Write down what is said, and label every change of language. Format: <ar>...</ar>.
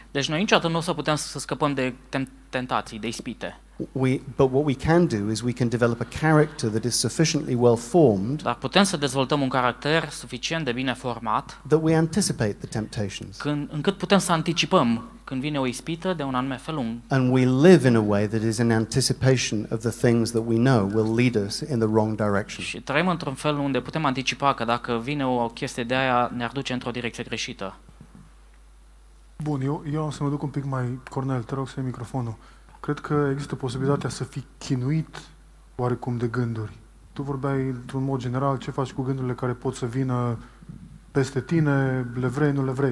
<ro>Deci noi niciodată nu o să putem să scăpăm de tentații, de ispite.</ro> <en>But what we can do is we can develop a character that is sufficiently well formed.</en> <ro>Dar putem să dezvoltăm un caracter suficient de bine format.</ro> <en>That we anticipate the temptations.</en> <ro>Încât putem să anticipăm când vine o ispită de un anume fel.</ro> <en>And we live in a way that is in anticipation of the things that we know will lead us in the wrong direction.</en> <ro>Și trăim într-un fel unde putem anticipa că dacă vine o chestie de aia ne-ar duce într-o direcție greșită. Bun, eu am să mă duc un pic mai, Cornel, te rog să iei microfonul. Cred că există posibilitatea să fii chinuit oarecum de gânduri. Tu vorbeai într-un mod general ce faci cu gândurile care pot să vină peste tine, le vrei, nu le vrei.</ro>